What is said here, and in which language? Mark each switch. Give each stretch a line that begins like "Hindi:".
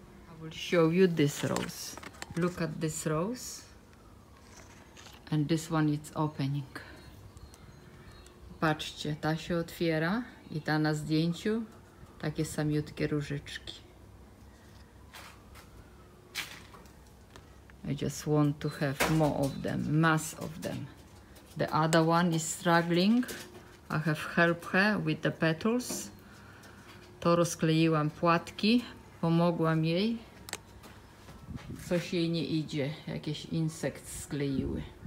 English: I will show you this rose. Look at this rose. And this one is opening.
Polish: Patrzcie, ta się otwiera i ta na zdjęciu, takie samiutkie różyczki.
English: I just want to have more of them, mass of them. The other one is struggling. I have helped her with the petals.
Polish: To rozkleiłam płatki, pomogłam jej. Coś jej nie idzie, jakieś insekty skleiły.